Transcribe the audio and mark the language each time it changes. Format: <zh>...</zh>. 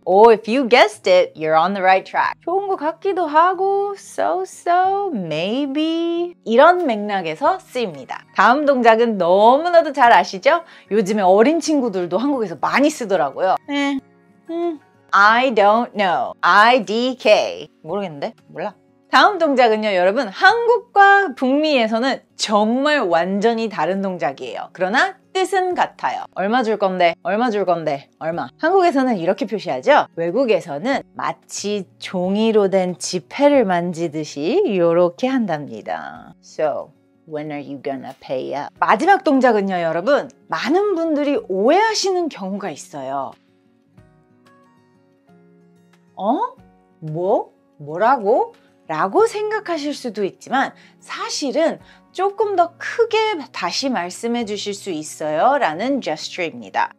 <en>Oh, if you guessed it, you're on the right track.</en> <ko>좋은 것 같기도 하고 so-so, maybe 이런 맥락에서 쓰입니다. 다음 동작은 너무나도 잘 아시죠? 요즘에 어린 친구들도 한국에서 많이 쓰더라고요.</ko> <en>I don't know. IDK 모르겠는데? 몰라.</en> <ko>다음 동작은요, 여러분 한국과 북미에서는 정말 완전히 다른 동작이에요. 그러나 뜻은 같아요. 얼마 줄 건데? 얼마 줄 건데? 얼마? 한국에서는 이렇게 표시하죠? 외국에서는 마치 종이로 된 지폐를 만지듯이 이렇게 한답니다.</ko> <en>So, when are you gonna pay up?</en> <ko>마지막 동작은요, 여러분. 많은 분들이 오해하시는 경우가 있어요. 어? 뭐? 뭐라고? 라고 생각하실 수도 있지만 사실은 조금 더 크게 다시 말씀해 주실 수 있어요 라는 gesture입니다.</ko>